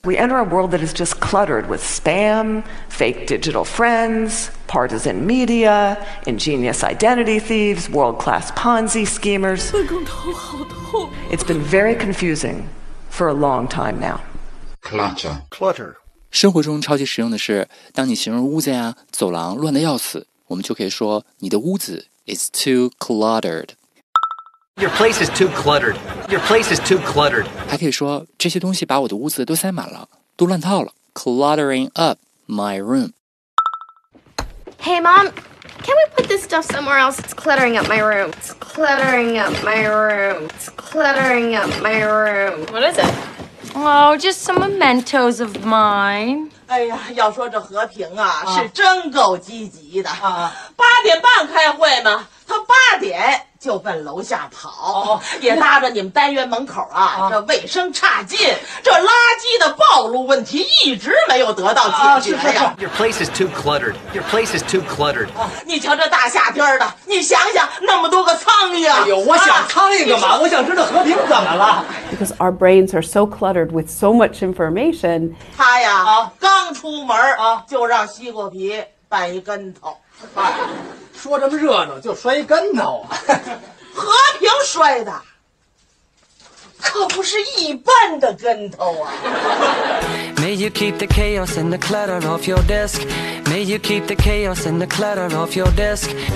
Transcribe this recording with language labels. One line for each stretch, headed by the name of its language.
English: We enter a world that is just cluttered with spam, fake digital friends, partisan media, ingenious identity thieves, world-class Ponzi schemers.
Chinese: 我的头好痛。
English: It's been very confusing for a long time now. Clutter.
Chinese: 生活中超级实用的是，当你形容屋子呀、走廊乱得要死，我们就可以说你的屋子。
English: It's too cluttered. Your place is too cluttered. Your place is too cluttered.
Chinese: 还可以说这些东西把我的屋子都塞满了，都乱套了。
English: Cluttering up my room. Hey, Mom, can we put this stuff somewhere else? It's cluttering up my room. It's cluttering up my room. It's cluttering up my room. What is it? Oh, just some mementos of mine.
Chinese: 哎呀，要说这和平啊，是真够积极的。八点半开会嘛，他八点就奔楼下跑，也拉着你们单元门口啊，这卫生差劲，这垃圾的暴露问题一直没有得到解决呀。
English: Your place is too cluttered. Your place is too cluttered.
Chinese: 你瞧这大夏天的，你想想那么多个苍蝇。哎呦，我想苍蝇干嘛？我想知道和平怎么了。
English: Because our brains are so cluttered with so much information.
Chinese: 他呀，刚出门就让西瓜皮绊一跟头。说这么热闹就摔一跟头啊，和平摔的可不是一般的跟头啊。
English: May you keep the chaos and the clutter off your desk. May you keep the chaos and the clutter off your desk.